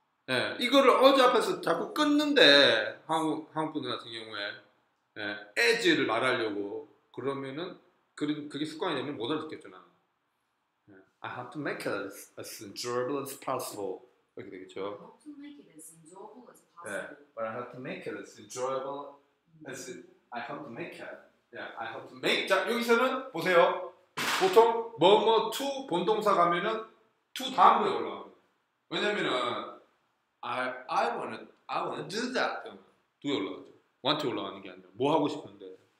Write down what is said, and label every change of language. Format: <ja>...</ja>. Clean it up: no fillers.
<ko>예, 이거를 어제 앞에서 자꾸 끊는데 한국 분들 같은 경우에 예, as를 말하려고 그러면은 그게 습관이 되면 못 알아듣겠죠 나는.</ko> <en>I have to make it as enjoyable as possible.</en> <ko>이렇게 되겠죠.</ko> <en>I have to make it as enjoyable as possible. But I have to make it as enjoyable as I have to make it. Yeah, I have to make.</en> <ko>자 여기서는 보세요. 보통 뭐뭐 to 본동사 가면은 to 다음으로 올라가요. 왜냐면은</ko> <en>I wanna do that.</en> <ko>두 올라가죠. Want to 올라가는 게 아니라 뭐 하고 싶은데.</ko>